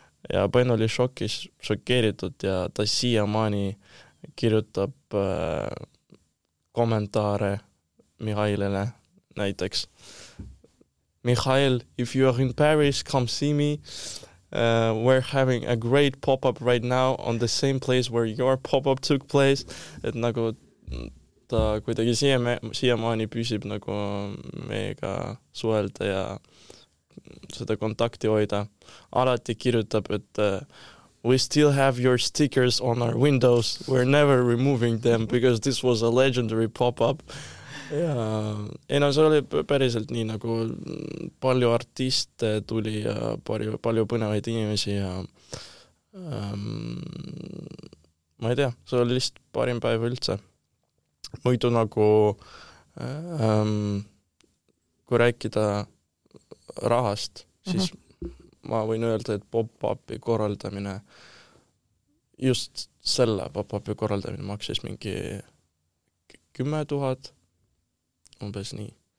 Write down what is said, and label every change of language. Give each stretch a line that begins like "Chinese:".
Estonian: Ja Ben oli šokeeritud ja ta siia maani kirjutab kommentaare Mihailele näiteks.
English: Mihail, if you are in Paris, come see me. We're having a great pop-up right now on the same place where your pop-up took place.
Estonian: Et nagu ta kuidagi siia maani püsib nagu meiega suhelda ja seda kontakti hoida. Alati kirjutab, et
English: we still have your stickers on our windows. We're never removing them because this was a legendary pop-up.
Estonian: Ja no, see oli päriselt nii nagu palju artiste tuli ja palju põnevaid inimesi ja ma ei tea, see oli lihtsalt parim päev üldse. Muidu nagu, kui rääkida rahast, siis ma võin öelda, et pop-upi korraldamine, just selle pop-upi korraldamine maksis mingi 10 000, umbes nii.